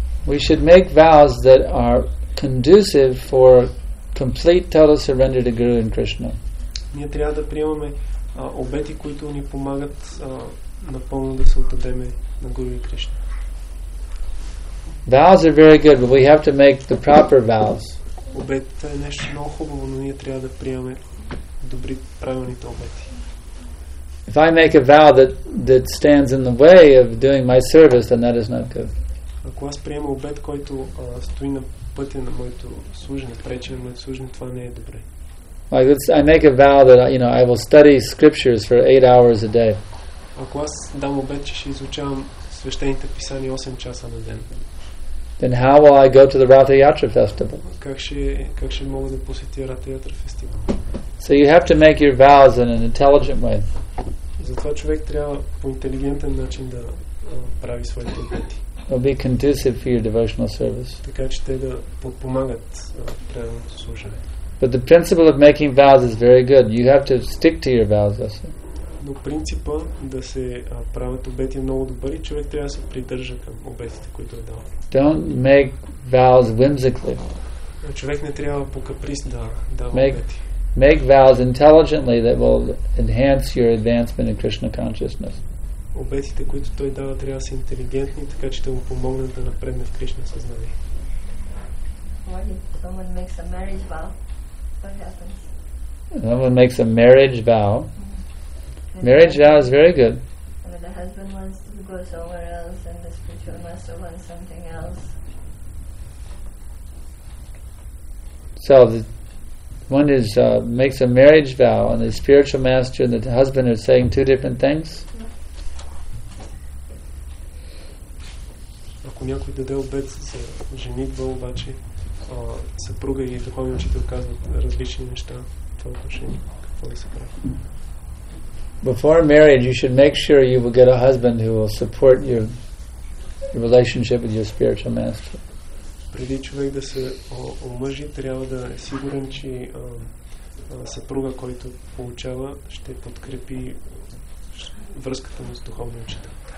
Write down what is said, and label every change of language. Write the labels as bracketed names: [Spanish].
[English] We should make vows that are conducive for complete total surrender to Guru and Krishna. [Bulgarian] Ние трябва да приемаме обети, които ни помагат напълно да се отдадем на Гуру и Кришна. [English] Vows are very good, but we have to make the proper vows. [Bulgarian] Обетът е нещо много хубаво, но ние трябва да приемаме добри, правилните обети. [English] If I make a vow that stands in the way of doing my service, then that is not good. [Bulgarian] Ако аз приема обет, който стои на пътя на моето служене, пречи на моето служене, това не е добре. [English] Like I make a vow that I will study scriptures for 8 hours a day. [Bulgarian] Ако аз дам обет, че ще изучавам свещените писания 8 часа на ден. [English] Then how will I go to the Ratha Yatra festival? [Bulgarian] Как ще мога да посетя Ratha Yatra festival? [English] So you have to make your vows in an intelligent way. [Bulgarian] Затова човек трябва по интелигентен начин да прави своите обети. [English] Will be conducive for your devotional service. [Bulgarian] Така че те да подпомагат правилното служене. [English] But the principle of making vows is very good. You have to stick to your vows. [Bulgarian] Но принципа да се правят обети е много добър и човек трябва да се придържа към обетите, които е дал. [English] Don't make vows whimsically. [Bulgarian] Човек не трябва по каприз да дава обети. [English] Make vows intelligently that will enhance your advancement in Krishna consciousness. [Bulgarian] Обетите, които той дава, трябва да са интелигентни, така че да му помогнат да напредне в Кришна съзнание. [English] What if someone makes a marriage vow? What happens? Someone makes a marriage vow. Mm-hmm. Marriage vow is very good. And when the husband wants to go somewhere else and the spiritual master wants something else. So the one is makes a marriage vow and the spiritual master and the husband are saying two different things. If [Bulgarian] ако някой даде обет за женитба, обаче съпруга и духовен учител казват различни неща в това отношение, какво да се прави? [English] Before marriage, you should make sure you will get a husband who will support your relationship with your spiritual master. [Bulgarian] Преди човек да се омъжи, трябва да е сигурен, че съпруга, който получава, ще подкрепи връзката му с духовния учител.